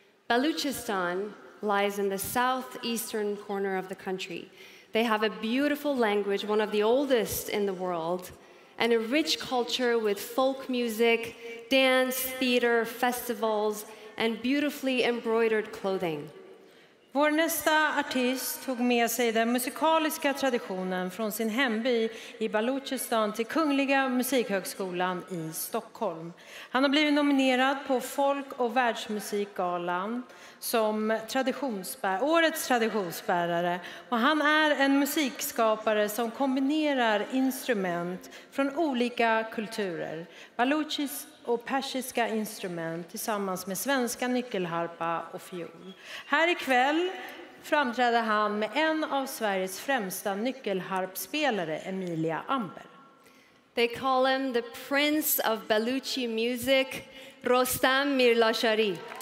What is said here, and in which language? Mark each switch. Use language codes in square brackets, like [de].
[en] Baluchistan lies in the southeastern corner of the country. They have a beautiful language, one of the oldest in the world, and a rich culture with folk music, dance, theater, festivals, and beautifully embroidered clothing. [sv] Vår nästa artist tog med sig den musikaliska traditionen från sin hemby i Baluchistan till Kungliga musikhögskolan i Stockholm. Han har blivit nominerad på Folk- och världsmusikgalan som årets traditionsbärare. Och han är en musikskapare som kombinerar instrument från olika kulturer. Baluchistan och persiska instrument tillsammans med svenska nyckelharpa och fiol. Här ikväll framträder han med en av Sveriges främsta nyckelharpspelare, Emilia Amber. [en] They call him the prince of Baluchi music, Rostam Mirlashari.